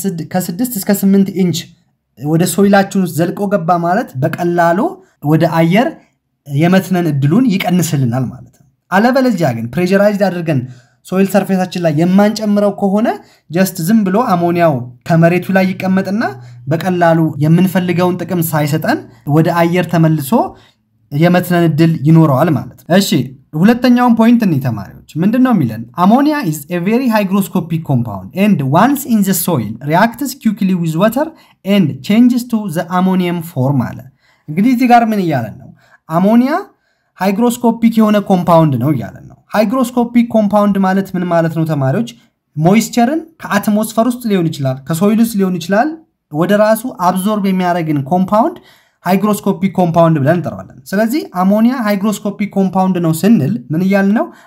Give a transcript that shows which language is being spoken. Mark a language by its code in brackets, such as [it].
[am] ከ6 እስከ 8 ኢንች ወደ ሶይላችን ውስጥ ዘልቆ ገባ ማለት በቀላሉ ወደ አየር የመትነን እድሉን ይቀንስልናል ማለት ነው። አለበለዚያ ግን ፕሬሸራይዝድ አድርገን ሶይል surface-አችን ላይ የማንጨምረው ከሆነ just ዝም ብሎ አሞኒያው ከመሬቱ ላይ ይቀመጥና በቀላሉ የምንፈልገውን ጥቅም ሳይሰጠን ወደ አየር ተመልሶ የመትነን እድል ይኖረዋል ማለት ነው። እሺ ሁለተኛው ፖይንት እንይ ተማሪ ምንድነው የሚለን? [en] Ammonia is a very hygroscopic compound and once in the soil reacts quickly with water and changes to the ammonium form አለ። [am] እንግዲህ እዚህ ጋር ምን ይያለን ነው? Ammonia hygroscopic የሆነ compound ነው ይያለን ነው። Hygroscopic compound ማለት ምን ማለት ነው ተማሪዎች? Moistureን ከአትሞስፈር ውስጥ ሊሆን ይችላል ከሶይል ውስጥ ሊሆን ይችላል ወደ ራሱ አብዞርብ የሚያደርግን compound hygroscopic compound ብለን እንጠራዋለን። ስለዚህ ammonia hygroscopic compound ነው ስንል ምን ይያል ነው?